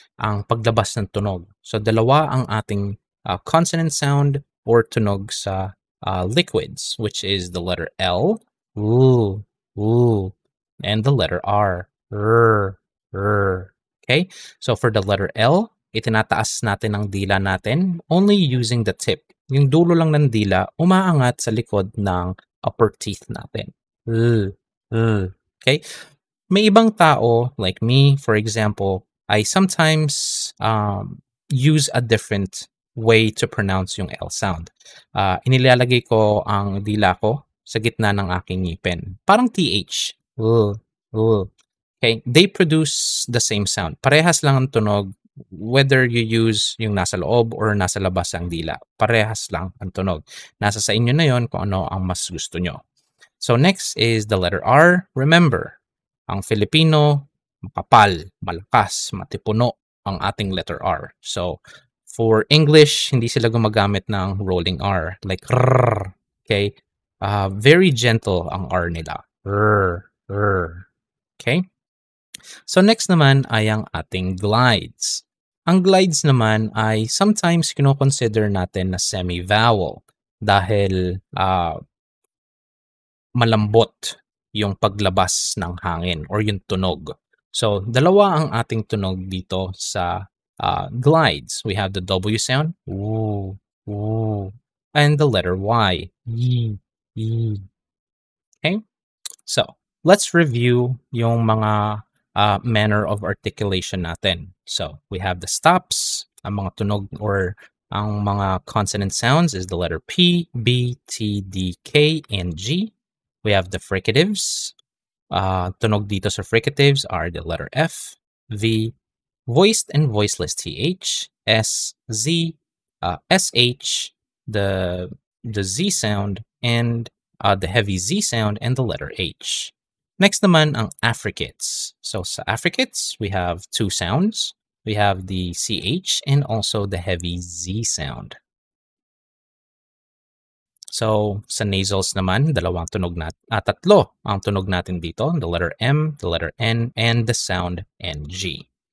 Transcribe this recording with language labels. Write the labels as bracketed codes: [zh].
[tl] Ang paglabas ng tunog. So, dalawa ang ating consonant sound or tunog sa liquids, which is the letter L, ooh, ooh, and the letter R, rr, rr. Okay? So, for the letter L, itinataas natin ang dila natin [en] only using the tip. [tl] Yung dulo lang ng dila umaangat sa likod ng upper teeth natin. Okay? [en] May ibang tao, like me, for example, I sometimes use a different way to pronounce yung L sound. [tl] Inilalagay ko ang dila ko sa gitna ng aking ngipin. Parang TH. Okay? [en] They produce the same sound. [tl] Parehas lang ang tunog [en] whether you use [tl] yung nasa loob or nasa labas ang dila. Parehas lang ang tunog. Nasa sa inyo na yon kung ano ang mas gusto nyo. [en] So, next is the letter R. Remember, [tl] ang Filipino, makapal, malakas, matipuno ang ating [en] letter R. [tl] So, for English, hindi sila gumagamit ng rolling R. Like, rrr. Okay? Very gentle ang R nila. Rrr, rrr. Okay? So, next naman ay ang ating glides. Ang glides naman ay sometimes kinoconsider natin na semi-vowel dahil malambot yung paglabas ng hangin or yung tunog. So, dalawa ang ating tunog dito sa glides. [en] We have the W sound, woo, woo, and the letter Y, yee, yee. Okay? So, let's review yung mga manner of articulation natin. So, we have the stops, [tl] ang mga tunog or ang mga [en] consonant sounds is the letter P, B, T, D, K, and G. We have the fricatives. [tl] Tunog dito sa fricatives [en] are the letter F, V, voiced and voiceless TH, S, Z, SH, the Z sound, and the heavy Z sound, and the letter H. [tl] Next naman ang affricates. [en] So sa affricates, we have two sounds. We have the CH and also the heavy Z sound. [tl] So sa nasals naman, dalawang tunog natin, tatlo ang tunog natin dito, [en] the letter M, the letter N, and the sound NG.